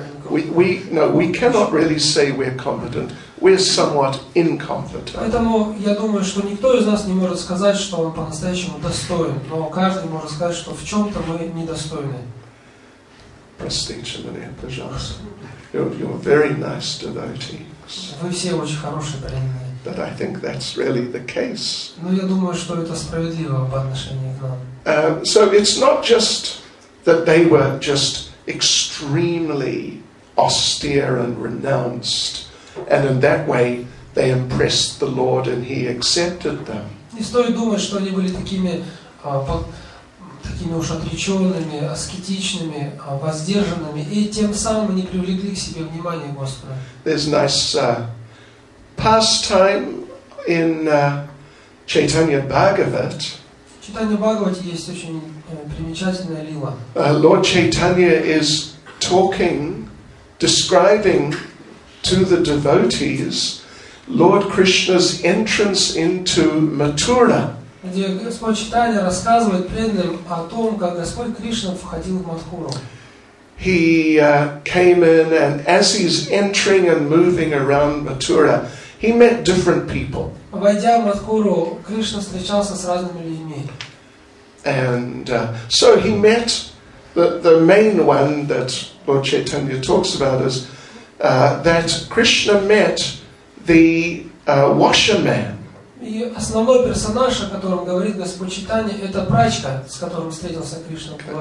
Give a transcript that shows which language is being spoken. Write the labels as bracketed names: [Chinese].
[English] We cannot really say we're competent. We're somewhat incompetent. [Russian] Поэтому я думаю, что никто из нас не может сказать, что он по-настоящему достоин, но каждый может сказать, что в чём-то мы недостойны. Простите меня, пожалуйста. [English] You're very nice devotees. [Russian] Вы все очень хорошие преданные. [English] But I think that's really the case. [Russian] Но я думаю, что это справедливо по отношению к нам. [English] So it's not just that they were just extremely austere and renounced, and in that way they impressed the Lord and He accepted them. [Russian] Не стоит думать, что они были такими уж отреченными, аскетичными, воздержанными, и тем самым они привлекли к себе внимание Господа. [English] There's nice pastime in Chaitanya Bhagavat. [Russian] Читание Бхагавати есть очень примечательная лила. [English] Lord Chaitanya is talking, describing to the devotees Lord Krishna's entrance into Mathura. [Russian] Где Господь Чайтанья рассказывает преданным о том, как Господь Кришна входил в Матхуру. [English] He came in, and as he's entering and moving around Mathura, he met different people. [Russian] Войдя в Матхуру, Кришна встречался с разными людьми. [English] And so he met the main one that Lord Chaitanya talks about is that Krishna met the washerman. [Russian] И основной персонаж, о котором говорит Господь Чайтанья, это прачка, с которым встретился Кришна.